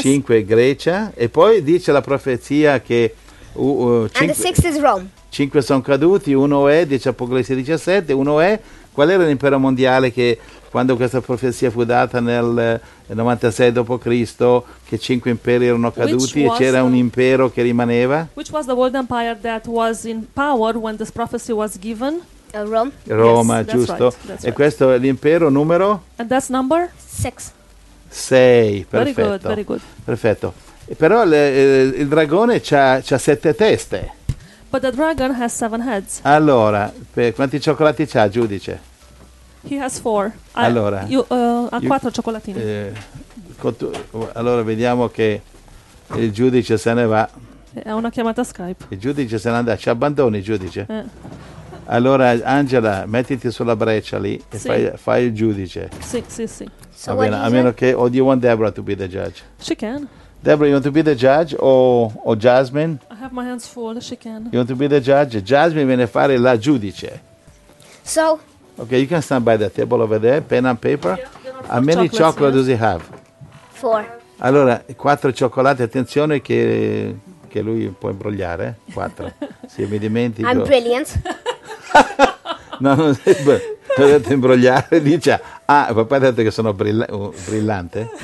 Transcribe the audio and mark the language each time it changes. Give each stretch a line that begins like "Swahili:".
Italian: Cinque Grecia, e poi dice la profezia che cinque,
English: and the sixth is Rome.
Italian: Cinque sono caduti, uno è, dice Apocalisse 17, uno è, qual era l'impero mondiale che quando questa profezia fu data nel 96 dopo Cristo, che cinque imperi erano caduti e c'era un impero che rimaneva?
English: Which was the world empire that was in power when this prophecy was given? Rome.
Italian: Roma,
English: yes,
Italian: giusto.
English: That's right, that's
Italian: e questo è l'impero numero?
English: And that's number? Six.
Italian: Sei, perfetto.
English: Very good, very good.
Italian: Perfetto. E però il dragone c'ha sette teste.
English: But the dragon has seven heads.
Italian: Allora, quanti cioccolati c'ha, giudice?
English: He has four.
Italian: Allora, ha quattro cioccolatini. Allora vediamo che il giudice se ne va. È una chiamata Skype. Il giudice se ne andrà, ci abbandoni, giudice. Allora, Angela, mettiti sulla breccia lì e sì. fai il giudice. Sì, sì, sì. So bene, a meno che,
English: do you want Deborah to be the judge? She can. Deborah, you want to be the judge o Jasmine? I have my hands full, she can. You want to be the judge?
Italian: Jasmine viene a fare la giudice.
English: So... Okay, you can stand by the table over there, pen and paper. Yeah, how many chocolates does he have? Four.
Italian: Allora, quattro cioccolate, attenzione che lui può imbrogliare. Quattro. Sì, mi dimentico.
English: I'm brilliant.
Italian: No, non sei potete imbrogliare, dice. Ah, papà ha detto che sono brillante.